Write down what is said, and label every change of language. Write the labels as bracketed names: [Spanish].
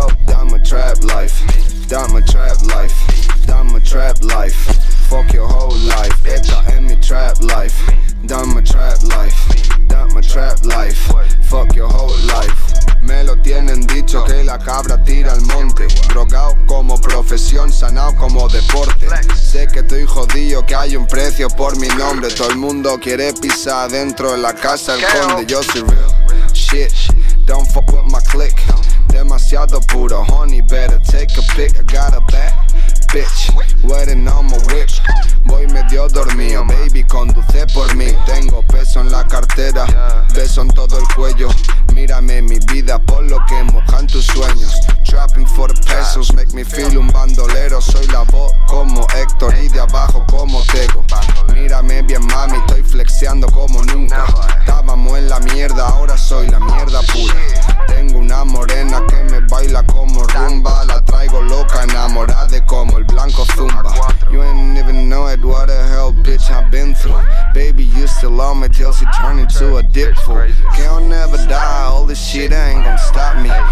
[English] Yo, I'm a trap life, I'm a trap life, I'm a trap life. Fuck your whole life, [Spanish] esta es mi [English] trap life. I'm a trap life, I'm a trap life. Fuck your whole life. [Spanish] Me lo tienen dicho que la cabra tira al monte. Drogao como profesión, sanao como deporte. Sé que estoy jodido, que hay un precio por mi nombre. Todo el mundo quiere pisar dentro de la casa del conde. Yo soy [English] real shit, don't fuck with my click. [Spanish] Demasiado puro, [English] honey, better take a pic. I got a bad bitch, wearing on my whip. [Spanish] Voy medio dormido, baby, conduce por mí. Tengo peso en la cartera, beso en todo el cuello. Mírame mi vida, por lo que mojan tus sueños. [English] Trapping for pesos, make me feel [Spanish] un bandolero. Soy la voz como Héctor y de abajo como Tego. Mírame bien, mami, estoy flexeando como nunca. Estábamos en la mierda, ahora soy la mierda pura. Tengo una morena que me baila como rumba. La traigo loca, enamorada de como el blanco zumba. [English] You ain't even know it, what the hell, bitch, I've been through. Baby, you still love me till she turn into a dick fool. Can't never die, all this shit ain't gon' stop me.